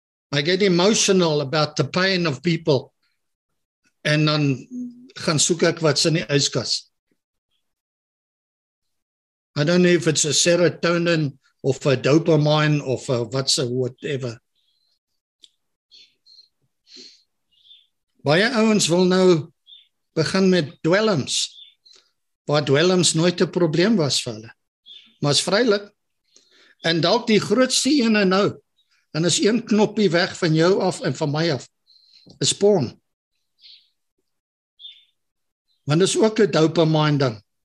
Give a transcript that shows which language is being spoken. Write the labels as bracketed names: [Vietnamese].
[English] I get emotional about the pain of people. [Afrikaans] En dan gaan soek ek wat's in die yskas. [English] I don't know if it's a serotonin of a dopamine of a what's a whatever. [Afrikaans] Baie ouens wil nou begin met dwelms, waar dwelms nooit 'n probleem was vir hulle. Maar is vrylik. En dalk die grootste ene nou, en is een knoppie weg van jou af en van my af, is porn. Want is ook een dopamine ding.